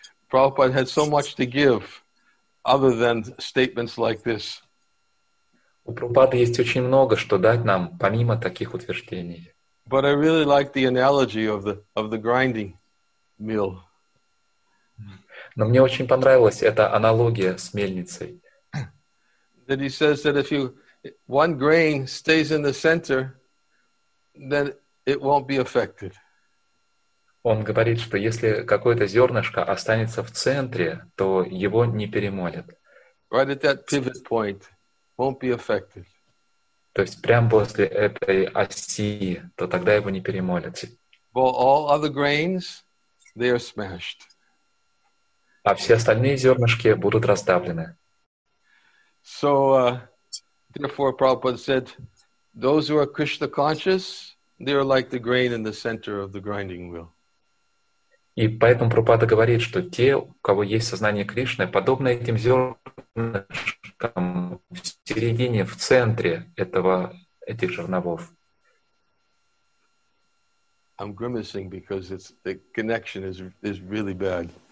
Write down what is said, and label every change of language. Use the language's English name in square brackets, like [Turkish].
[English] Prabhupada had so much to give other than statements like this. [Russian] У Прабхупады есть очень много, что дать нам, помимо таких утверждений. [English] But I really like the analogy of the grinding mill. [Russian] Но мне очень понравилась эта аналогия с мельницей. [English] That he says that if one grain stays in the center, then it won't be affected. [Russian] Он говорит, что если какое-то зернышко останется в центре, то его не перемолят. [English] Right at that pivot point, won't be affected. [Russian] То есть прямо после этой оси, то тогда его не перемолят. [English] But all other grains, they are smashed. [Russian] А все остальные зернышки будут раздавлены. [English] So, therefore, Prabhupada said, those who are Krishna conscious, they are like the grain in the center of the grinding wheel. [Russian] И поэтому Прабхупада говорит, что те, у кого есть сознание Кришны, подобно этим зернышкам в середине, в центре этих жерновов. [English] I'm grimacing because the connection is really bad.